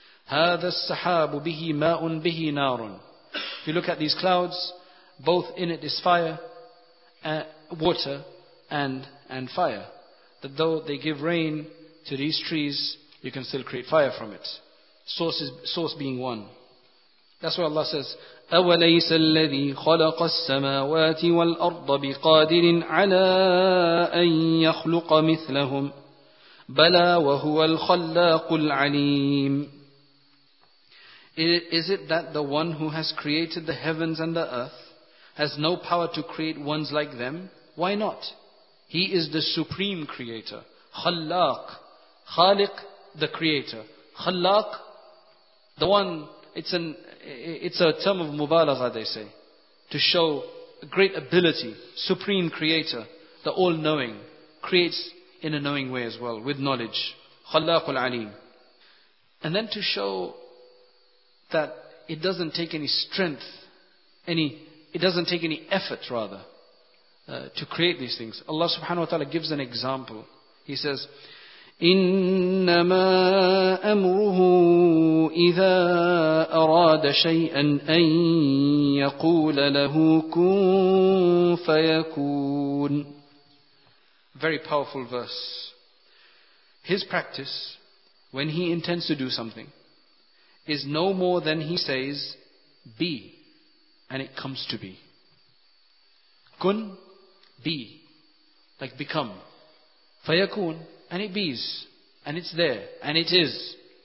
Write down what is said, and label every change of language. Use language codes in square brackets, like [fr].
[ar] هَذَا السَّحَابُ بِهِ مَاءٌ بِهِ نَارٌ. [en] If you look at these clouds, both in it is fire, water, and fire. That though they give rain to these trees, you can still create fire from it. Source being one. [ar] That's why Allah says, أَوَلَيْسَ الَّذِي خَلَقَ السَّمَاوَاتِ وَالْأَرْضَ بِقَادِرٍ عَلَىٰ أَن يَخْلُقَ مِثْلَهُمْ بَلَىٰ وَهُوَ الْخَلَّاقُ الْعَلِيمُ. [en] Is it that the one who has created the heavens and the earth has no power to create ones like them? Why not? He is the supreme creator. Khallaq. Khaliq, the creator. Khallaq, the one, it's a term of mubalagha, they say, to show great ability. Supreme creator, the all-knowing, creates in a knowing way as well, with knowledge. Khallaqul Alim. And then to show that it doesn't take any strength, it doesn't take any effort, to create these things. Allah subhanahu wa ta'ala gives an example. [ar] He says, إِنَّمَا أَمْرُهُ إِذَا أَرَادَ شَيْئًا أَن يَقُولَ لَهُ كُن فَيَكُونَ. [en] Very powerful verse. His practice, when he intends to do something, is no more than he says, be, and it comes to be. Kun, be, like become. Fayakun, and it bees, and it's there, and it is.